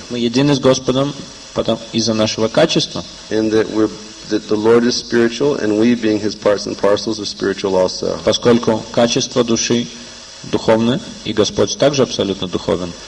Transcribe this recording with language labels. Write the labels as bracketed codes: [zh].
[ru] Мы едины с Господом потом из-за нашего качества. [en] That the Lord is spiritual and we being his parts and parcels are spiritual also. [ru] Поскольку качество души духовное, и Господь также абсолютно духовен.